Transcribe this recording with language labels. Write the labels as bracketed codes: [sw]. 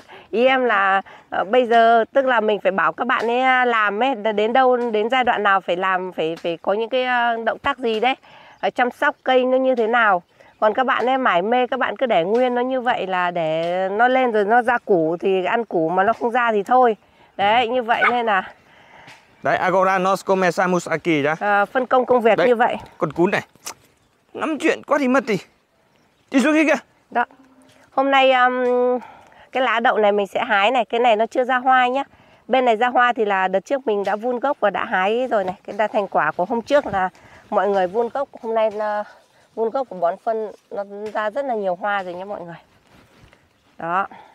[vi] Ý em là bây giờ tức là mình phải bảo các bạn ấy làm ấy, đến đâu, đến giai đoạn nào phải làm, phải có những cái động tác gì đấy, chăm sóc cây nó như thế nào. Còn các bạn ấy mải mê, các bạn cứ để nguyên nó như vậy là để nó lên rồi nó ra củ thì ăn củ, mà nó không ra thì thôi. Đấy, như vậy nên là [pt] đấy, agora nós começamos aqui já. [vi] Phân công công việc đấy, như vậy. Con Cún này. Lắm chuyện quá thì mất đi. Đi xuống kia kìa. Đó. Hôm nay cái lá đậu này mình sẽ hái này, cái này nó chưa ra hoa nhá. Bên này ra hoa thì là đợt trước mình đã vun gốc và đã hái rồi này. Cái đã thành quả của hôm trước là mọi người vun gốc, hôm nay vun gốc của bón phân nó ra rất là nhiều hoa rồi nhá mọi người. Đó.